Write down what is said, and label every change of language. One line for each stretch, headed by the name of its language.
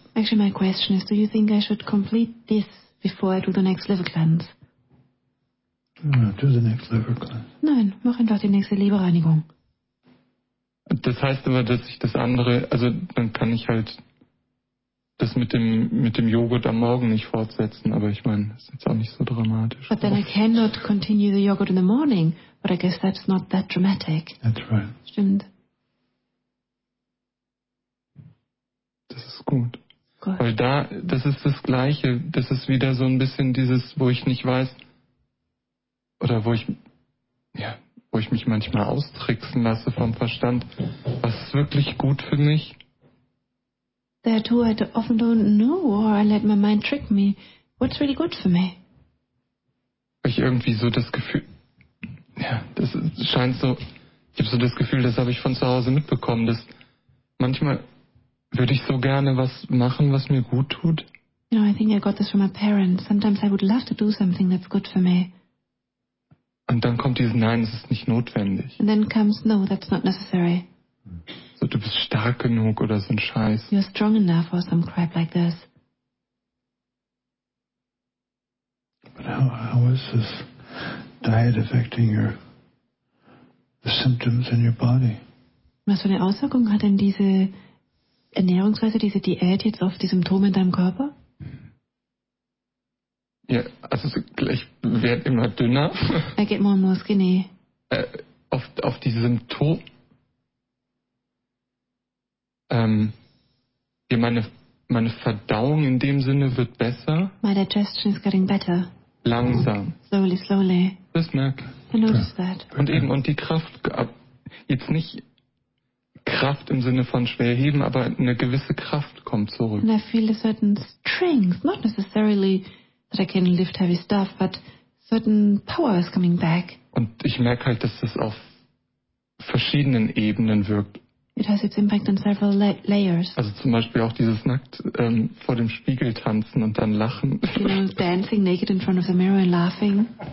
English: Actually my question is, do you think I should complete this before I do the next liver cleanse? Do the next liver cleanse.
German: Nein, mach einfach die nächste Leberreinigung. Das heißt aber, dass ich das andere, also dann kann ich halt das mit dem Joghurt am Morgen nicht fortsetzen, aber ich meine, das ist jetzt auch nicht so dramatisch.
English: But then I cannot continue the yogurt in the morning, but I guess that's not that dramatic. That's right.
German: Stimmt. Das ist gut. Weil da, das ist das Gleiche, das ist wieder so ein bisschen dieses, wo ich nicht weiß, oder wo ich mich manchmal austricksen lasse vom Verstand, was ist wirklich gut für mich?
English: There too I often don't know, or I let my mind trick me. What's really good for me?
German: Ich irgendwie so das Gefühl, ja, das scheint so, ich habe so das Gefühl, das habe ich von zu Hause mitbekommen, dass manchmal würde ich so gerne was machen, was mir gut tut.
English: You know, I think I got this from my parents. Sometimes I would love to do something that's good for me.
German: Und dann kommt dieses Nein, es ist nicht notwendig.
English: And then comes No, that's not necessary.
German: So, du bist stark genug oder so ein Scheiß.
English: You're strong enough or some crap like this. But how is this diet affecting the symptoms in your body?
German: Was für eine Auswirkung hat denn diese Ernährungsweise, diese Diät jetzt auf die Symptome in deinem Körper? Ja, also ich werde immer dünner.
English: I get more and more skinny.
German: Auf die Symptome. Meine Verdauung in dem Sinne wird besser.
English: My digestion is getting better.
German: Langsam.
English: Slowly, slowly.
German: Das merke
English: ich. I notice that.
German: Und die Kraft, jetzt nicht Kraft im Sinne von schwer heben, aber eine gewisse Kraft kommt zurück.
English: And I feel a certain strength, not necessarily that I can lift heavy stuff, but certain power is coming back.
German: Und ich merke halt, dass das auf verschiedenen Ebenen wirkt.
English: It has its impact on several layers.
German: Also zum Beispiel auch dieses nackt vor dem Spiegel tanzen und dann lachen.
English: You know, dancing naked in front of the mirror and laughing.